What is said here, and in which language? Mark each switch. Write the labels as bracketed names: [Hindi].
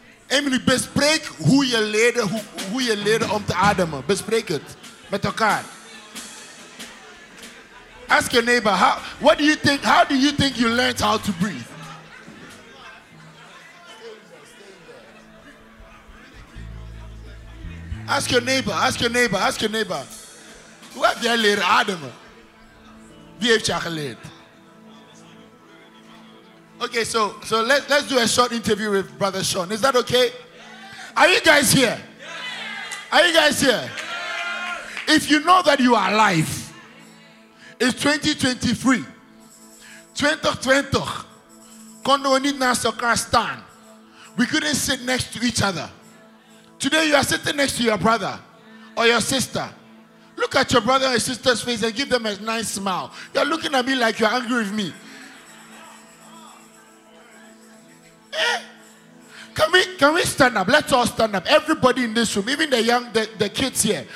[English] A minute, [Dutch] bespreek hoe je leerde om te ademen. Bespreek het met elkaar. [English] Ask your neighbor, how do you think you learned how to breathe? Ask your neighbor, ask your neighbor, ask your neighbor. [Dutch] Hoe heb jij leren ademen? Wie heeft jou geleerd? [English] Okay, so let's do a short interview with Brother Sean. Is that okay? Are you guys here? Are you guys here? If you know that you are alive, it's 2023. 2020. [Dutch] Konden we niet naast elkaar staan. [English] We couldn't sit next to each other. Today you are sitting next to your brother or your sister. Look at your brother or your sister's face and give them a nice smile. You're looking at me like you're angry with me. Can we stand up? Let's all stand up. Everybody in this room, even the kids here.